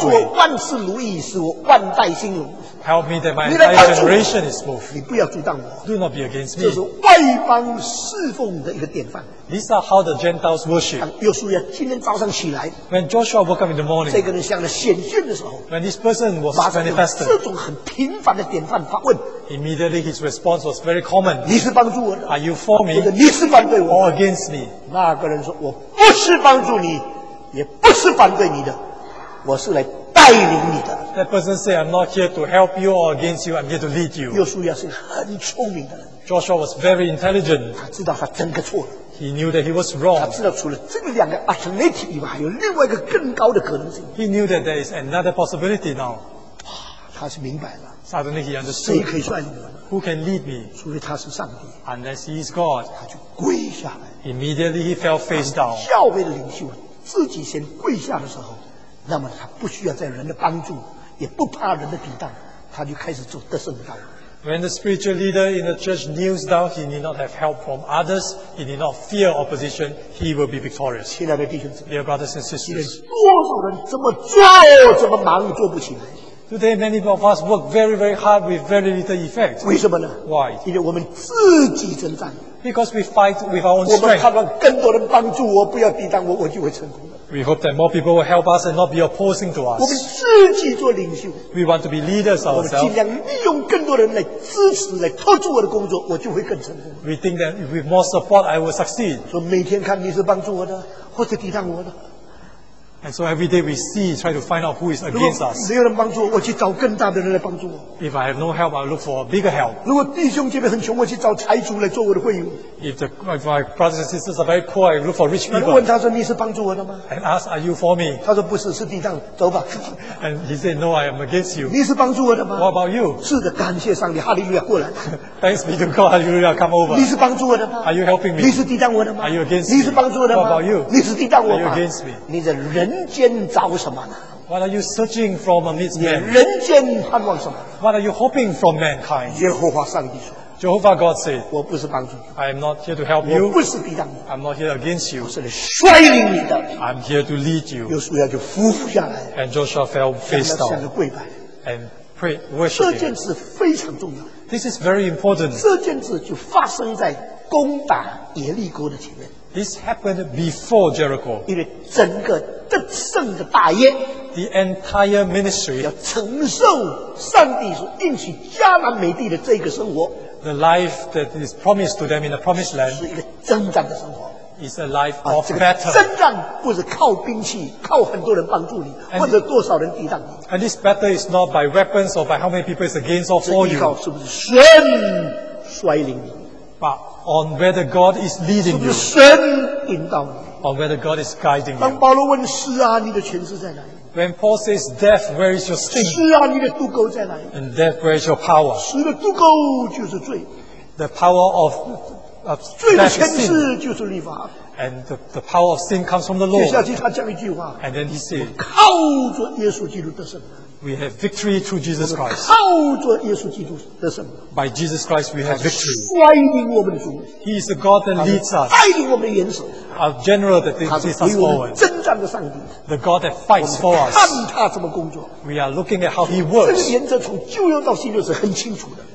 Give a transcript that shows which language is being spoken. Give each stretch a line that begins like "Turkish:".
Chinese: 帮助我万事如意，使我万代兴隆。
English: Help me that my entire generation is smooth.
Chinese: 你不要阻挡我。
English: Do not be against me.
Chinese: 这是外邦侍奉的一个典范。
English: These are how the Gentiles worship.
Chinese: 约书亚今天早上起来。
English: When Joshua woke up in the morning.
Chinese: 这个人向着显现的时候。
English: When this person was manifested.
Chinese: 这种很频繁的典范发问。
English: Immediately his response was very common.
Chinese: 你是帮助我的。
English: Are you for me?
Chinese: 或者你是反对我。
English: Or against me?
Chinese: 那个人说我不是帮助你，也不是反对你的，我是来。带领你的。
English: That person said, "I'm not here to help you or against you. I'm here to lead you."
Chinese: 约书亚是很聪明的人。
English: Joshua was very intelligent.
Chinese: 他知道他整个错了。
English: He knew that he was wrong.
Chinese: 他知道除了这两个 alternative 以外，还有另外一个更高的可能性。
English: He knew that there is another possibility now.
Chinese: 他是明白了。
English: Suddenly he understood.
Chinese: 谁可以率领我？
English: Who can lead me?
Chinese: 除非他是上帝。
English: Unless he is God.
Chinese: 他就跪下来。
English: Immediately he fell face down.
Chinese: 教会的领袖自己先跪下的时候。那么他不需要在人的帮助，也不怕人的抵挡，他就开始做得胜的道路。
English: When the spiritual leader in the church kneels down, he need not have help from others. He need not fear opposition. He will be victorious.
Chinese: 亲爱的弟兄姊妹
English: ，Dear brothers and sisters，
Chinese: 多少人怎么做怎么忙，做不起来。
English: Today, many of us work very, very hard with very little effect.
Chinese: 为什么呢
English: ？Why？
Chinese: 因为我们自己征战。
English: Because we fight with our own strength.
Chinese: 我们盼望更多人帮助我，不要抵挡我，我就会成功。
English: We hope that more people will help us and not be opposing to us.
Chinese: 我们自己做领袖。
English: We want to be leaders ourselves.
Chinese: 我们尽量利用更多人来支持、来托住我的工作，我就会更成功。
English: We think that with more support, I will succeed.
Chinese: 所以每天看你是帮助我的，或者抵挡我的。
English: And so every day we see, try to find out who is against us.
Chinese: 没有人帮助我，我去找更大的人来帮助我。
English: If I have no help, I look for a bigger help.
Chinese: 如果弟兄姐妹很穷，我去找财主来做我的会友。
English: If my brothers and sisters are very poor, I look for rich people.
Chinese: 问他说你是帮助我的吗
English: ？And ask, are you for me?
Chinese: 他说不是，是抵挡。走吧。
English: And he said, no, I am against you.
Chinese: 你是帮助我的吗
English: ？What about you?
Chinese: 是的，感谢上帝，哈利路亚，过来。
English: Thanks be to God, Hallelujah, come over.
Chinese: 你是帮助我的吗
English: ？Are you helping me?
Chinese: 你是抵挡我的吗
English: ？Are you against me?
Chinese: 你是帮助我的吗
English: ？What about you?
Chinese: 你是抵挡我吗
English: ？Are you against me?
Chinese: 你的人。人间找什么呢
English: ？What are you searching from amidst men？
Chinese: 人间盼望什么
English: ？What are you hoping from mankind？
Chinese: 耶和华上帝说
English: ，Jehovah God said，
Chinese: 我不是帮助你
English: ，I am not here to help you，
Chinese: 我不是抵挡你
English: ，I'm not here against you，
Chinese: 我是来率领你的
English: ，I'm here to lead you。
Chinese: 约书亚就俯伏下来
English: ，And Joshua fell face down，
Chinese: 向着跪拜
English: ，And prayed worship。
Chinese: 这件事非常重要
English: ，This is very important。
Chinese: 这件事就发生在攻打耶利哥的前面。
English: This happened before Jericho.
Chinese: 因为整个得胜的大业
English: ，the entire ministry
Chinese: 要承受上帝所应许迦南美地的这个生活。
English: The life that is promised to them in the promised land
Chinese: 是一个征战的生活。
English: Is a life of battle.
Chinese: 这个征战不是靠兵器，靠很多人帮助你，
English: and、
Chinese: 或者多少人抵挡你。
English: And this battle is not by weapons or by how many people is against or for you.
Chinese: 这依靠是不是神率领你？
English: On whether God is leading you，
Chinese: 是不是神引导你
English: ？On whether God is guiding you。
Chinese: 当保罗问死啊，你的权势在哪里
English: ？When Paul says death， where is your sting？
Chinese: 死啊，你的毒钩在哪里
English: ？And death， where is your power？
Chinese: 死的毒钩就是罪。
English: The power of
Chinese: 罪的权势就是律法。
English: And the power of sin comes from the law。
Chinese: 接下去他讲一句话。
English: And then he said，
Chinese: 靠着耶稣基督得胜。
English: We have victory through Jesus Christ.
Chinese: 靠着耶稣基督得胜。
English: By Jesus Christ, we have victory.
Chinese: 带领我们的主。
English: He is the God that leads us.
Chinese: 带领我们的元首。
English: Our general that leads us forward.
Chinese: 征战的上帝。
English: The God that fights for us.
Chinese: 看他怎么工作。
English: We are looking at how He works.
Chinese: 这个原则从旧约到新约是很清楚的。